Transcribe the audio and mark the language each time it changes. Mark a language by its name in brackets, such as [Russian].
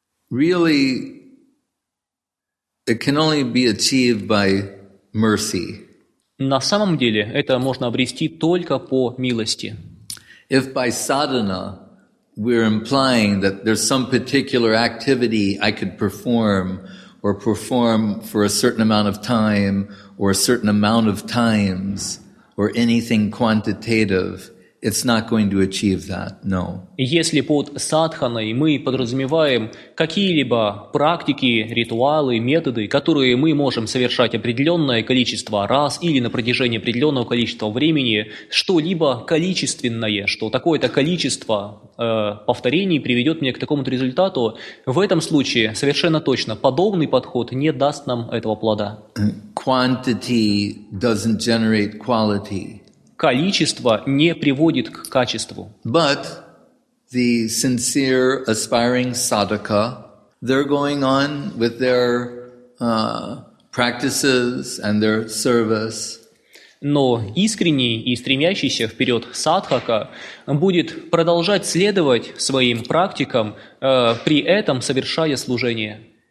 [English] Really, it can only be achieved by mercy. [Russian] На самом деле, это можно обрести только по милости. [English] If by sadhana we're implying that there's some particular activity I could perform or perform for a certain amount of time, or a certain amount of times, or anything quantitative, it's not going to achieve that, no. [Russian] Если под садханой мы подразумеваем какие-либо практики, ритуалы, методы, которые мы можем совершать определенное количество раз или на протяжении определенного количества времени, что-либо количественное, что такое-то количество повторений приведет меня к такому-то результату, в этом случае совершенно точно подобный подход не даст нам этого плода. [English] Quantity doesn't generate quality. [Russian] Количество не приводит к качеству. [English] But the sincere aspiring sadhaka, they're going on with their practices and their service. [Russian] Но искренний и стремящийся вперед садхака будет продолжать следовать своим практикам, при этом совершая служение.